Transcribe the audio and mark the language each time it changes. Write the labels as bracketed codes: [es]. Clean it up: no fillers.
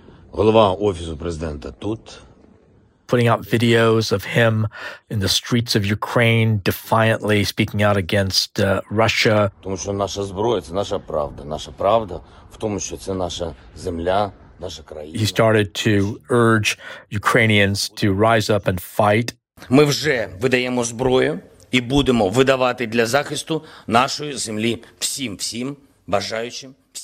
[uk] Голова офісу президента тут. [en] Putting out videos of him in the streets of Ukraine defiantly speaking out against Russia. [uk] Тому що наша зброя це наша правда. Наша правда в тому, що це наша земля, наша країна. [en] He started to urge Ukrainians to rise up and fight. [uk] Ми вже видаємо зброю і будемо видавати для захисту нашої землі всім бажаючим.